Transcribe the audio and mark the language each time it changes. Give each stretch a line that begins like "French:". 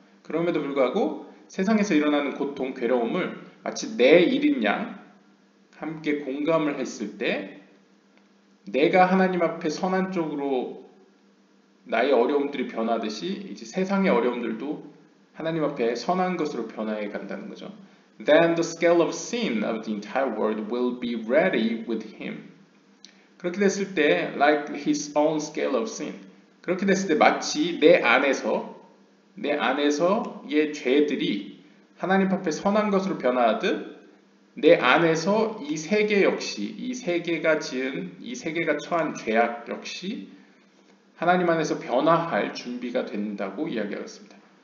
Korean: 그럼에도 불구하고 세상에서 일어나는 고통, 괴로움을 마치 내 일인 양 함께 공감을 했을 때 내가 하나님 앞에 선한 쪽으로 나의 어려움들이 변하듯이 이제 세상의 어려움들도 하나님 앞에 선한 것으로 변화해 간다는 거죠.
English: Then the scale of sin of the entire world will be ready with him.
Korean: 그렇게 됐을 때
English: like his own scale of sin.
Korean: 그렇게 됐을 때 마치 내 안에서의 죄들이 하나님 앞에 선한 것으로 변화하듯 내 안에서 이 세계 역시 이 세계가 지은 이 세계가 처한 죄악 역시 하나님 안에서 변화할 준비가 된다고 이야기하였습니다.